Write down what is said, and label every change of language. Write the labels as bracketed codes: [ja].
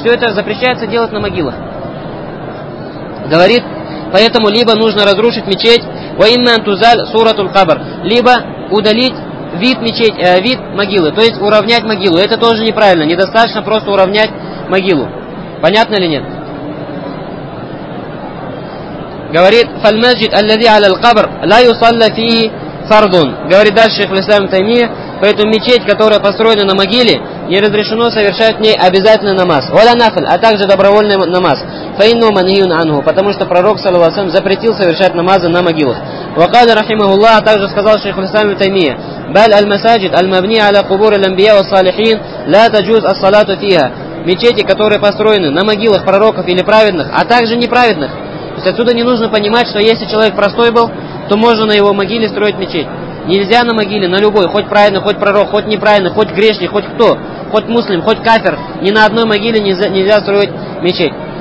[ru] Все это запрещается делать на могилах. Говорит, поэтому либо нужно разрушить мечеть, [ar] وَإِنَّ أَنْ تُزَالَ سُورَةُ الْقَبَرِ, [ru] либо удалить вид мечеть, вид могилы, то есть уравнять могилу. Это тоже неправильно, недостаточно просто уравнять могилу. Понятно или нет? Говорит, [ar] فَالْمَسْجِدْ أَلَّذِي عَلَى الْقَبْرِ لَا يُصَلَّ فِيهِ فَرْضٌ. [ru] Говорит дальше шейх ислам Таймия, поэтому мечеть, которая построена на могиле, не разрешено совершать в ней обязательный намаз. [ar] وَلَا نَفْلَ, [ru] а также добровольный намаз. [ar] فَإِنَّهُ مَنْهِيٌ عَنْهُ, [ru] потому что пророк, саллаллаху алейхи ва саллям, запретил совершать намазы на могилах. [ar] وقال رحمه الله, [ru] также сказал шейх ислам Таймия, [ar] بل المساجد المبنية على قبور الأنبياء والصالحين لا تجوز الصلاة فيها. [ru] Мечети, которые построены на могилах пророков или праведных, а также неправедных. То есть отсюда не нужно понимать, что если человек простой был, то можно на его могиле строить мечеть. Нельзя на могиле, на любой, хоть праведный, хоть пророк, хоть неправедный, хоть грешник, хоть кто, хоть муслим, хоть кафир, ни на одной могиле нельзя строить мечеть.